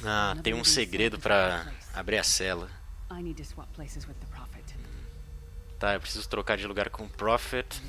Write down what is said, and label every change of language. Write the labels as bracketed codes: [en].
[pt] Ah, tem um segredo pra abrir a cela. [en] I need to swap places with the Prophet. [pt] Tá, eu preciso trocar de lugar com o Prophet.